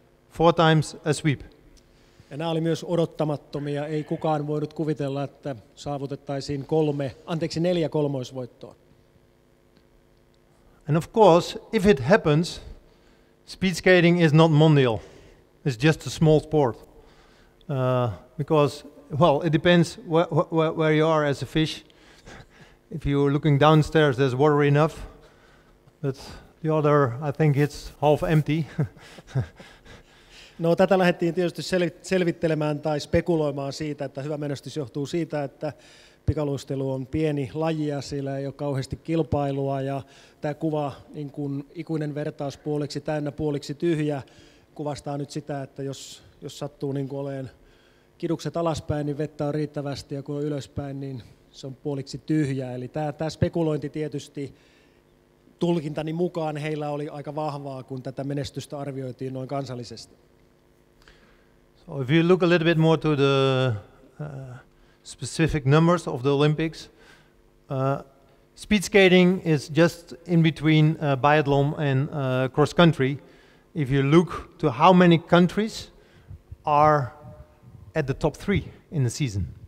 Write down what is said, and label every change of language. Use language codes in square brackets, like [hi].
[en] Four times a sweep. [fi] Ja nämä oli myös odottamattomia. Ei kukaan voinut kuvitella, että saavutettaisiin neljä kolmoisvoittoa. [en] And of course, if it happens, speed skating is not mondial. It's just a small sport. Because it depends where you are as a fish. If you're looking downstairs, there's water enough. But the other, I think it's half empty. [fi] No, tätä lähdettiin tietysti selvittelemään tai spekuloimaan siitä, että hyvä menestys johtuu siitä, että pikaluistelu on pieni laji ja siellä ei ole kauheasti kilpailua. Ja tämä kuva, niin kuin ikuinen vertaus, puoliksi täynnä, puoliksi tyhjä, kuvastaa nyt sitä, että jos sattuu niin kuin olemaan kidukset alaspäin, niin vettä on riittävästi ja kun on ylöspäin, niin se on puoliksi tyhjä. Eli tämä spekulointi tietysti tulkintani mukaan heillä oli aika vahvaa, kun tätä menestystä arvioitiin noin kansallisesti. [en] If you look a little bit more to the specific numbers of the Olympics, speed skating is just in between biathlon and cross country. If you look to how many countries are at the top three in the season.